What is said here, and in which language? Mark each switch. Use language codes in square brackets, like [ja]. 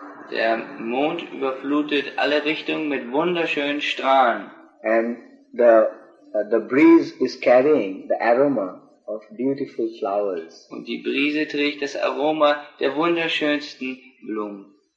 [de] Der Mond überflutet alle Richtungen mit wunderschönen Strahlen. [en] And the breeze is carrying the aroma of beautiful flowers. [de] Und die Brise trägt das Aroma der wunderschönsten Blumen.